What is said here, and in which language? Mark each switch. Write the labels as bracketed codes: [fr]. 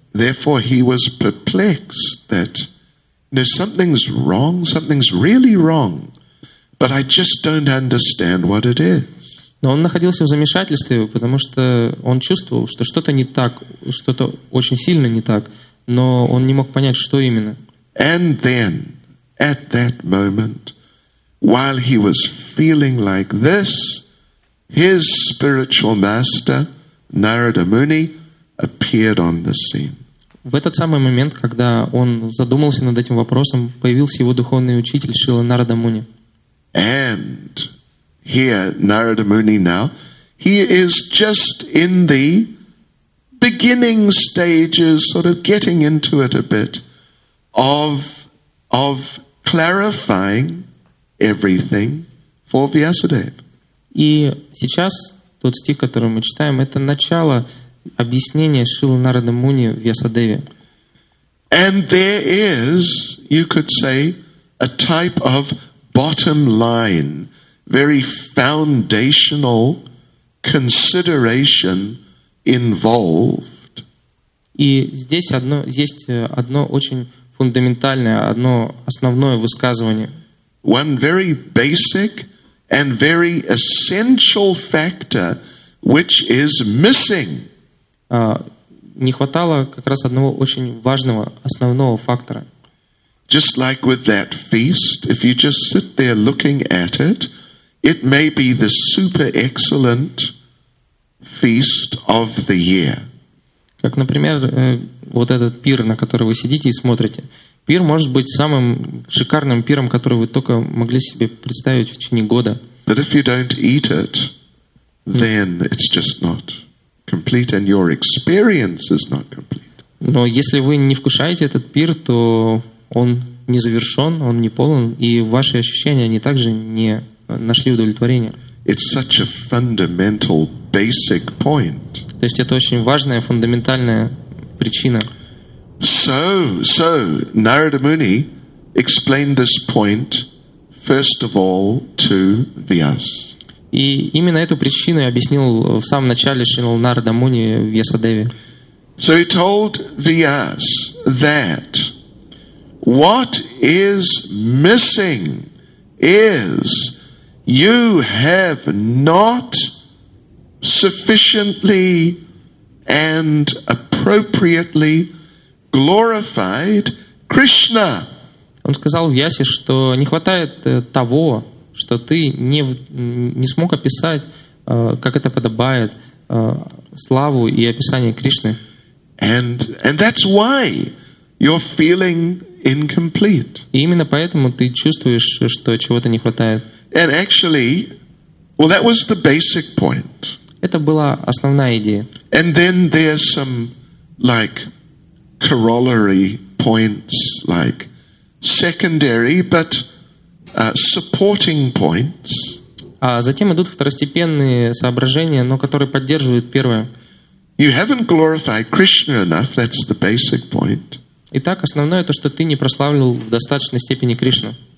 [en] Therefore he was perplexed that no, something's wrong, something's really wrong, but I just don't understand what it is. [ru] Но он находился в замешательстве, потому что он чувствовал, что что-то не так, что-то очень сильно не так, но он не мог понять, что именно. [en] And then, at that moment, while he was feeling like this, his spiritual master, Narada Muni, appeared on the scene. [ru] В этот самый момент, когда он задумался над этим вопросом, появился его духовный учитель Шрила Нарада Муни. [en] And here, Narada Muni now, he is just in the beginning stages, sort of getting into it a bit, of clarifying everything for Vyasadeva. [ru] И сейчас тот стих, который мы читаем, это начало объяснения Шрилы Нарада Муни Вьясадеве. [en] And there is, you could say, a type of bottom line, very foundational consideration involved. [ru] И здесь одно, есть одно очень фундаментальное, одно основное высказывание. [en] One very basic and very essential factor which is missing. [ru] Не хватало как раз одного очень важного основного фактора. [en] Just like with that feast, if you just sit there looking at it, it may be the super excellent feast of the year. [ru] Как, например, вот этот пир, на который вы сидите и смотрите. Пир может быть самым шикарным пиром, который вы только могли себе представить в течение года. [en] But if you don't eat it, then it's just not complete, and your experience is not complete. [ru] Но если вы не вкушаете этот пир, то он не завершен, он не полон, и ваши ощущения, они также не нашли удовлетворения. [en] It's such a fundamental basic point. [ru] То есть это очень важная фундаментальная причина. [en] So Narada Muni explained this point first of all to Vyas. [ru] И именно эту причину я объяснил в самом начале Шринал Нарада Муни Вьясадеве. [en] So he told Vyas that what is missing is you have not sufficiently and appropriately glorified Krishna. [ru] Он сказал Вьясе, что не хватает того, что ты не смог описать, как это подобает, славу и описание Кришны. [en] And that's why you're feeling incomplete. [ru] И именно поэтому ты чувствуешь, что чего-то не хватает. [en] And actually, well, that was the basic point. [ru] Это была основная идея. [en] And then there are some like corollary points, like secondary, but supporting points. [ru] А затем идут второстепенные соображения, но которые поддерживают первое. [en] You haven't glorified Krishna enough. That's the basic point. [ru] Итак, основное то, что ты не прославил в достаточной степени Кришну.